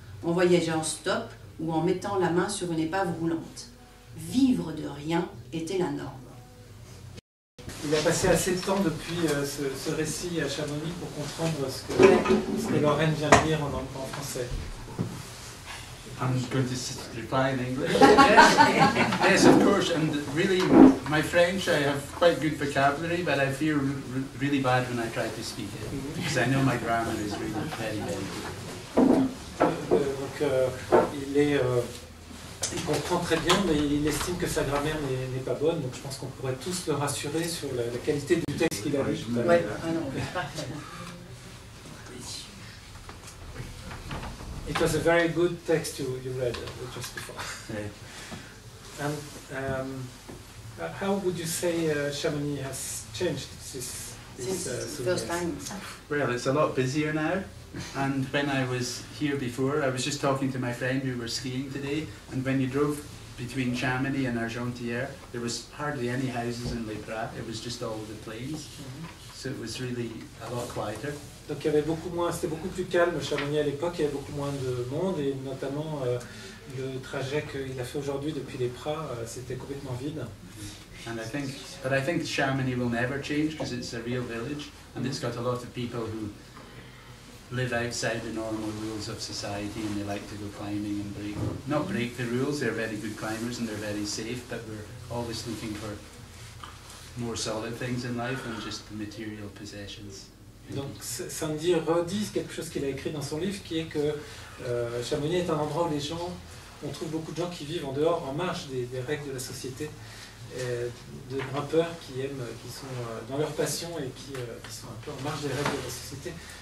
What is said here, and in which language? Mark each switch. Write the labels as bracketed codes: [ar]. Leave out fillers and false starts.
[fr] On voyageait en stop ou en mettant la main sur une épave roulante. Vivre de rien était la norme. Il a passé assez de temps depuis ce récit à Chamonix pour comprendre ce que Lorraine vient de dire en français. [en] I'm going to reply in English. Yes, of course, and really, my French, I have quite good vocabulary, but I feel really bad when I try to speak it, because I know my grammar is really very, very good. [fr] Donc, il comprend très bien, mais il estime que sa grammaire n'est pas bonne, donc je pense qu'on pourrait tous le rassurer sur la qualité du texte qu'il a lu. Oui, [en] pas It was a very good text you read just before. Yeah. And how would you say Chamonix has changed since the first time? Well, it's a lot busier now. And when I was here before, I was just talking to my friend who were skiing today. And when you drove between Chamonix and Argentière, there was hardly any houses in Les Prats. It was just all the plains. Mm-hmm. So it was really a lot quieter. [fr] Donc il y avait beaucoup moins, c'était beaucoup plus calme Chamonix à l'époque, il y avait beaucoup moins de monde et notamment le trajet qu'il a fait aujourd'hui depuis les Prats, c'était complètement vide. [en] And I think, but I think Chamonix will never change because it's a real village and it's got a lot of people who live outside the normal rules of society and they like to go climbing and not break the rules, they're very good climbers and they're very safe, but we're always looking for more solid things in life than just the material possessions. [fr] Donc Sandy redit quelque chose qu'il a écrit dans son livre, qui est que Chamonix est un endroit où les gens, on trouve beaucoup de gens qui vivent en dehors, en marge des règles de la société, de grimpeurs qui aiment, qui sont dans leur passion et qui sont un peu en marge des règles de la société.